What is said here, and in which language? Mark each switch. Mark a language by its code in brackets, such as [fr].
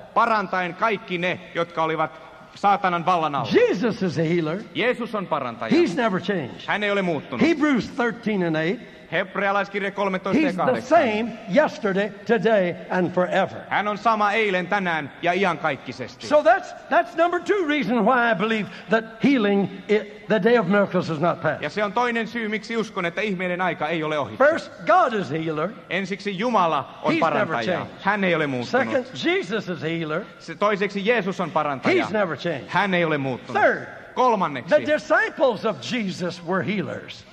[fi] Parantaen kaikki ne, jotka olivat saatanan vallan alla. [en] Jesus is a healer. [fi] Jeesus on parantaja. [en] He's never changed. [fi] Hän ei ole muuttunut. [en] Hebrews 13 and 8. [fi] Hebrealaiskirja 13 ja 8. [en] He's the same yesterday, today and forever. [fi] Hän on sama eilen, tänään ja iankaikkisesti. [en] So that's number two reason why I believe that healing it, the day of miracles is not past. [fi] Ja se on toinen syy miksi uskon että ihmeiden aika ei ole ohi. [en] First God is healer. [fi] Ensiksi Jumala on [en] He's [fi] parantaja. Hän ei ole muuttunut. [en] Second Jesus is healer. [fi] Toiseksi Jeesus on parantaja. [en] He's never changed. [fi] Hän ei ole muuttunut. [en] Third. [fi] Kolmanneksi. [en] The disciples of Jesus were healers.